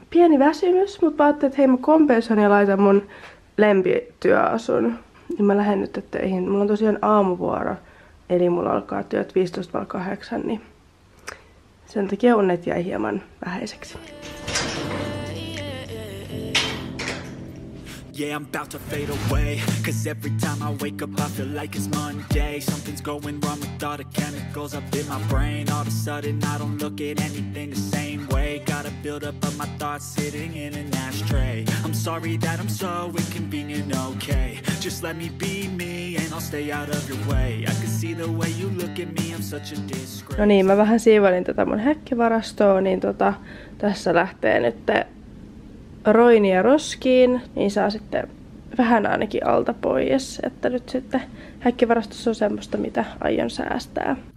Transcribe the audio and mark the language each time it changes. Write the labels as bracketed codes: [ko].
[fi] Pieni väsymys, mutta mä ajattelin, että hei mä kompensoin ja laitan mun lempityöasun. Mä lähden nyt töihin. Mulla on tosiaan aamuvuoro, eli mulla alkaa työt 15.8, niin sen takia unet jäi hieman vähäiseksi. [en] Yeah, I'm about to fade away. Cause every time I wake up, I feel like it's Monday. Something's going wrong with all the chemicals up in my brain. All of a sudden, I don't look at anything the same way. Gotta build up of my thoughts sitting in an ashtray. I'm sorry that I'm so inconvenient, okay. Just let me be me and I'll stay out of your way. I can see the way you look at me, I'm such a disgrace. [fi] No niin, mä vähän siivoilin tätä mun häkkivarastoa, niin tässä lähtee nyt roinia roskiin, niin saa sitten vähän ainakin alta pois, että nyt sitten häkkivarastossa on semmoista, mitä aion säästää.